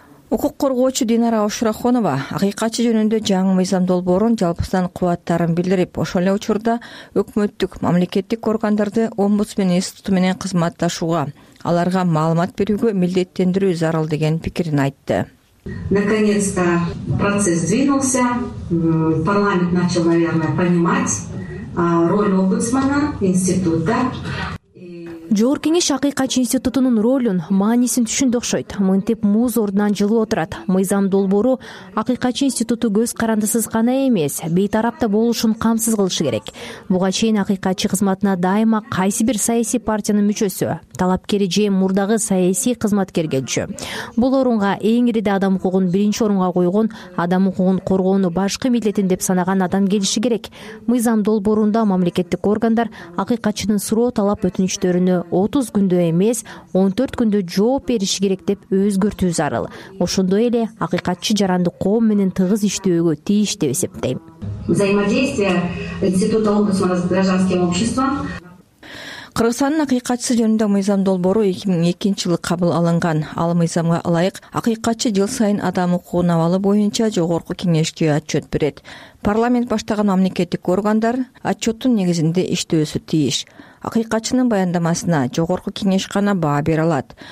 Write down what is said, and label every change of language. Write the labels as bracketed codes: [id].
[ky] Укук коргоочу Динара Ашураханова акыйкатчы жөнүндө жаңы мыйзам долбоорун жалпысынан кубаттарын билдирип, ошол эле учурда өкмөттүк мамлекеттик органдарды омбудсмен институту менен кызматташууга, аларга маалымат берүүгө милдеттендирүү зарыл деген пикирин айтты. [ru] Наконец-то процесс двинулся, парламент начал, наверное, понимать роль омбудсмана, института. [ky] Жогору кеңеш акыйкатчы институтунун ролун, маанисин түшүндү окшойт. Мынтип муз ордунан жылуу отурат. Мыйзам долбоору акыйкатчы институту көз карандысыз гана эмес, бейтарапта болушун камсыз кылышы керек. Буга чейин акыйкатчы кызматына дайыма кайсы бир саясий партиянын мүчөсү, талапкери же мурдагы саясий кызматкер келчү. Бул орунга эң ириде адам укугун биринчи орунга койгон, адам укугун коргоону башкы милдетин деп санаган адам келиши керек. Мыйзам долбоорунда мамлекеттик органдар акыйкатчынын суроо талап өтүнүчтөрүн 30 күндө эмес, 14 күндө жооп бериши керек деп өзгөртүү зарыл. Ошондой эле акыйкатчы жарандык коом менен тыгыз иштөөгө тийиш деп эсептейм. [ru] Взаимодействие института омбудсмана с гражданским обществом. [ky] Кыргызстандын акыйкатчысы жөнүндө мыйзам долбоору 2002 жылы кабыл алынган. Ал мыйзамга ылайык акыйкатчы жыл сайын адам укугун абалы боюнча жогорку кеңешке отчет берет. Парламент баштаган мамлекеттик органдар отчеттун негизинде иштөөсү тийиш. Акыйкатчынын баяндамасына жогорку кеңеш гана баа бере алат.